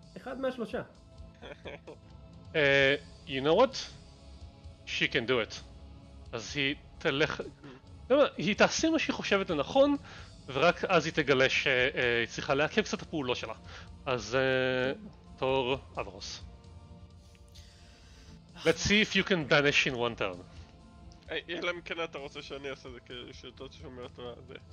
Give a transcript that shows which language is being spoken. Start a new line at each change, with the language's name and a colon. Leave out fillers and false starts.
Hebrew: אחד מהשלושה.
English: You know what? She can do it.
Hebrew: אז היא תלך... לא מה, היא תעשה מה שהיא חושבת לנכון, ורק אז היא תגלה שהיא צריכה לעכב קצת הפעולות שלה. אז תור אברוס.
English: Let's see if you can banish in one turn.
Hebrew: היי, אלא אם כן אתה רוצה שאני אעשה זה כשאתה שומר את זה.